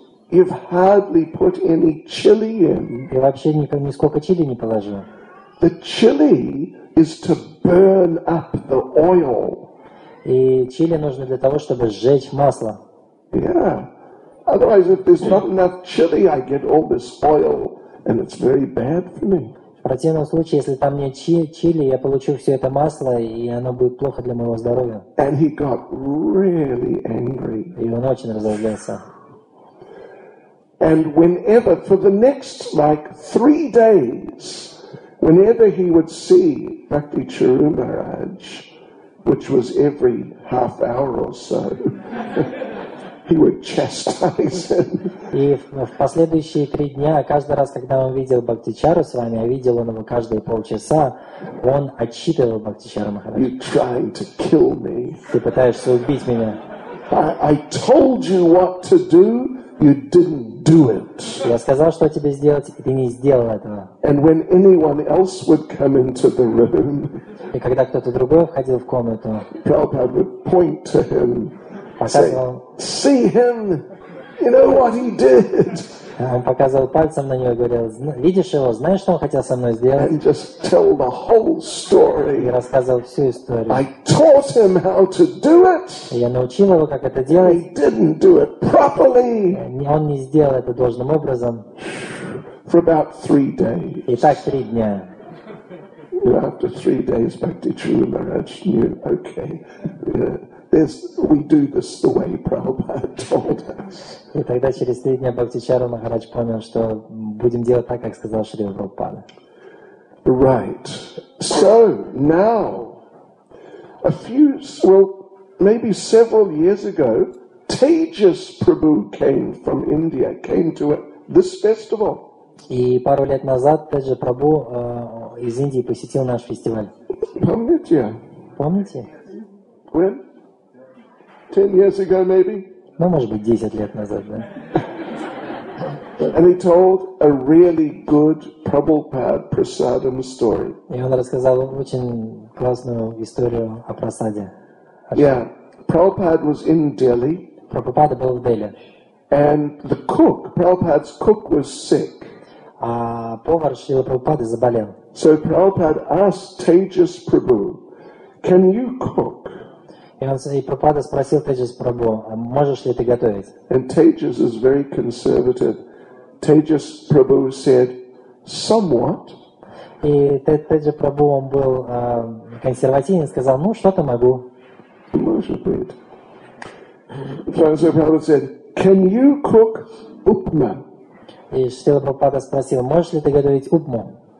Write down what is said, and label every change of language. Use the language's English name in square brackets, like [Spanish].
[English] You've hardly put any chili in. [Russian] И вообще нисколько чили не положил. [English] The chili is to burn up the oil. [Russian] И чили нужно для того, чтобы сжечь масло. [English] Yeah. Otherwise, if there's not enough chili, I get all this oil, and it's very bad for me. [Russian] В противном случае, если там нет чили, я получу все это масло, и оно будет плохо для моего здоровья. [English] And he got really angry. [Russian] И он очень разозлился. [English] And whenever, for the next like 3 days, whenever he would see Bhakti Chiru Maharaj, which was every half hour or so, he would chastise him. [Russian] И в последующие 3 дня, каждый раз, когда он видел Бхактичару с вами, я видел он его каждые полчаса, он отчитывал Бхактичару Махараджа. [English] You're trying to kill me. [Russian] Ты пытаешься убить меня. [English] I told you what to do, you didn't do it. [Russian] Я сказал, что тебе сделать, и ты не сделал этого. [English] And when anyone else would come into the room, [Russian] и когда кто-то другой входил в комнату, [English] Prabhupada would point to him, say, see him, you know what he did. [Russian] Он показывал пальцем на него и говорил, видишь его, знаешь, что он хотел со мной сделать? [English] And just tell the whole story. [Russian] И рассказывал всю историю. [English] I taught him how to do it. [Russian] Я научил его, как это делать. [English] He didn't do it properly. [Russian] Он не сделал это должным образом. [English] For about 3 days. [Russian] И так 3 дня. [English] After 3 days, Bhakti Chiru Maharaj knew, okay, this we do this the way Prabhupada taught us. [Russian] И тогда через 3 дня Бхакти Чару Махарадж понял, что будем делать так, как сказал Шрила Прабхупада. [English] Right. So now, a few, well, maybe several years ago, Tejas Prabhu came from India, came to this festival. [Russian] И пару лет назад Теджа Прабху из Индии посетил наш фестиваль. Помните? Помните? [English] When? 10 years ago, maybe? [Russian] Ну, может быть, 10 лет назад, да. [English] And he told a really good Prabhupada Prasadam story. [Russian] И он рассказал очень классную историю о Прасаде. [English] Yeah, Prabhupada was in Delhi. [Russian] Прабхупада был в Дели. [English] And the cook, Prabhupada's cook was sick. [Russian] А повар Шрилы Прабхупады заболел. [English] So Prabhupada asked Tejas Prabhu, can you cook? [Russian] И Прабхупада спросил Тейджас Прабху, можешь ли ты готовить? [English] And Tejas is very conservative. Tejas Prabhu said, somewhat. [Russian] И Тейджас Прабху, он был консервативен, сказал, ну что-то могу. Может быть. [English] So Prabhupada said, can you cook upma? [Russian] И Шрила Прабхупада спросил, можешь ли ты готовить упму?